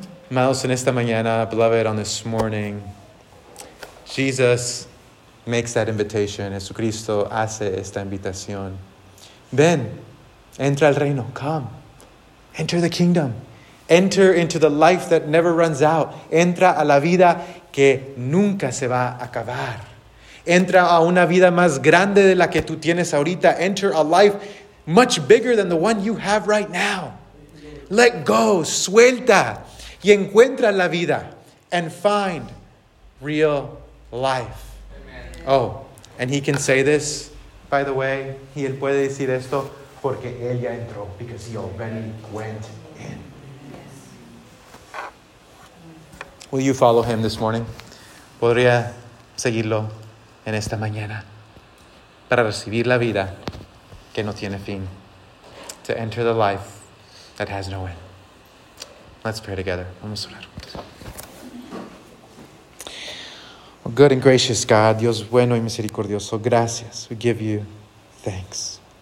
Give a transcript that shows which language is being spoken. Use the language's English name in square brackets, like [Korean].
[Spanish] Amados, en esta mañana, [English] beloved, on this morning, Jesus makes that invitation. [Spanish] Jesucristo hace esta invitación. Ven, entra al reino. [English] Come, enter the kingdom. Enter into the life that never runs out. [Spanish] Entra a la vida que nunca se va a acabar. Entra a una vida más grande de la que tú tienes ahorita. [English] Enter a life much bigger than the one you have right now. Let go, [Spanish] suelta, y encuentra la vida, [English] and find real life. Amen. Oh, and he can say this, by the way, [Spanish] y él puede decir esto, porque él ya entró, [English] because he already went in. Will you follow him this morning? [Spanish] ¿Podría seguirlo en esta mañana para recibir la vida que no tiene fin? [English] To enter the life that has no end. Let's pray together. [Spanish] Vamos a orar. [English] Oh, good and gracious God, [Spanish] Dios bueno y misericordioso, gracias. [English] We give you thanks.